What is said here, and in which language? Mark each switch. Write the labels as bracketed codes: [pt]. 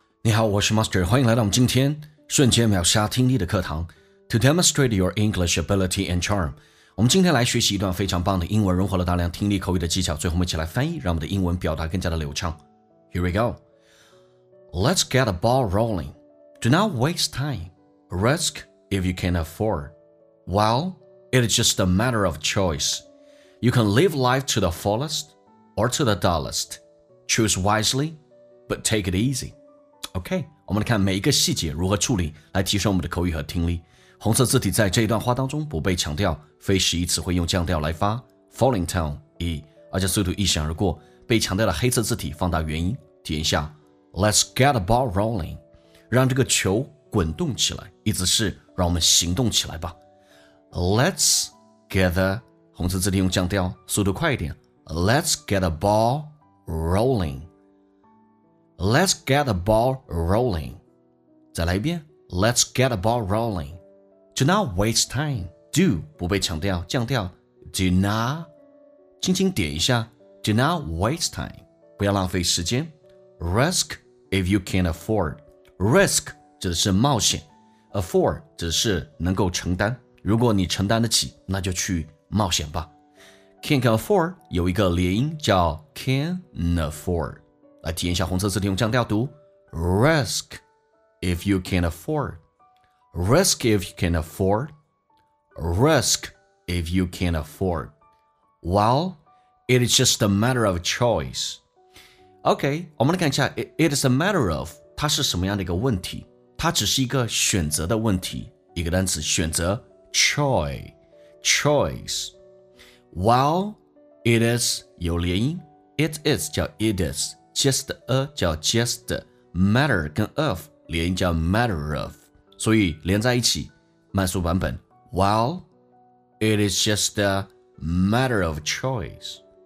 [zh] 你好，我是 Master， 欢迎来到我们今天瞬间秒杀听力的课堂。 [en] To demonstrate your English ability and charm， [zh] 我们今天来学习一段非常棒的英文，融合了大量听力口语的技巧。最后我们一起来翻译，让我们的英文表达更加的流畅。 [en] Here we go. Let's get the ball rolling. Do not waste time. Risk if you can afford. Well, it is just a matter of choice. You can live life to the fullest or to the dullest. Choose wisely, but take it easy. [zh] OK， 我们来看每一个细节如何处理，来提升我们的口语和听力。红色字体在这一段话当中不被强调，非十一词汇用降调来发 Falling tone 一，而且速度一闪而过。被强调的黑色字体放大元音，体验一下 [en] Let's get the ball rolling， [zh] 让这个球滚动起来，意思是让我们行动起来吧。 [en] Let's get the [zh] 红色字体用降调，速度快一点 [en] Let's get the ball rollingLet's get the ball rolling. [zh] 再来一遍 [en] Let's get the ball rolling. Do not waste time. Do [zh] 不被强调降调 [en] Do not [zh] 轻轻点一下 [en] Do not waste time. [zh] 不要浪费时间 [en] Risk if you can afford. [zh] Risk 指的是冒险 Afford 指的是能够承担，如果你承担得起那就去冒险吧。 Can afford 有一个连音叫 can afford，来体验一下红色字体用降调读 [en] Risk if you can afford. Risk if you can afford. Risk if you can afford. Well, it is just a matter of choice. [zh] OK, 我们来看一下 [en] It is a matter of [zh] 它是什么样的一个问题，它只是一个选择的问题，一个单词选择 Choice. [en] Well, it is 有连音 It is 叫 it isJust a 叫 just matter 跟 of 连音叫 matter of， [zh] 所以连在一起慢速版本 [en] Well, it is just a matter of choice.